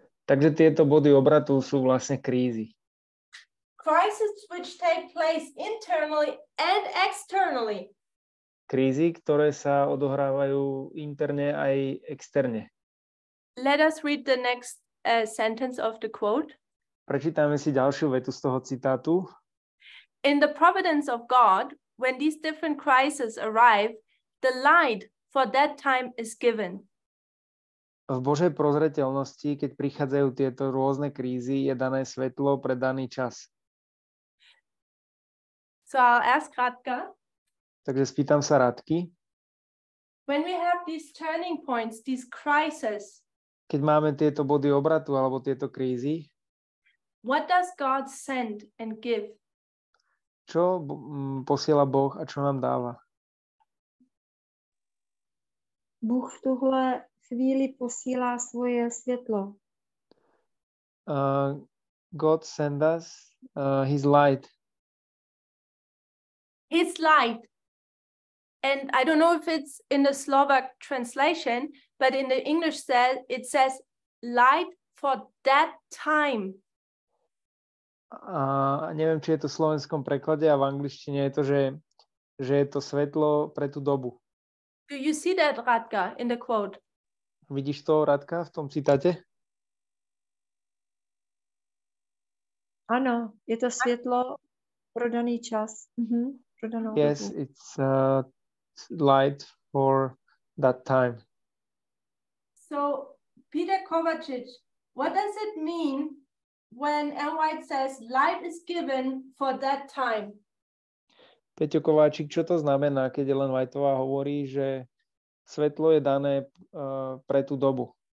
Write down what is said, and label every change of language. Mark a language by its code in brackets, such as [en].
[sk] Takže tieto body obratu sú vlastne krízy. [en] Crises which take place internally and externally. [sk] Krízy, ktoré sa odohrávajú interne aj externe. [en] Let us read the next sentence of the quote. [sk] Prečítame si ďalšiu vetu z toho citátu. [en] In the providence of God, when these different crises arrive, the light for that time is given. [sk] V Božej prozreteľnosti, keď prichádzajú tieto rôzne krízy, je dané svetlo pre daný čas. [en] So I'll ask Radka. [sk] Takže spýtam sa Radky. [en] When we have these turning points, these crises. [sk] Keď máme tieto body obratu alebo tieto krízy. [en] What does God send and give? [sk] Čo posiela Boh a čo nám dáva? Boh v tuhle chvíli posiela svoje svetlo. [en] God send us his light. His light. And I don't know if it's in the Slovak translation, but in the English it says light for that time. [sk] Neviem, či je to v slovenskom preklade a v angličtine je to, že je to svetlo pre tú dobu. [en] Do you see that, Radka, in the quote? [sk] Vidíš to, Radka, v tom citáte? Áno, je to svetlo pro daný čas. [en] Yes, [sk] dobu. [en] It's light for that time. So, Peter Kovacic, what does it mean when Ellen White says light is given for that time? [sk] Peťo Kováčik, čo to znamená, keď Ellen Whiteová hovorí, že svetlo je dané pre tú dobu?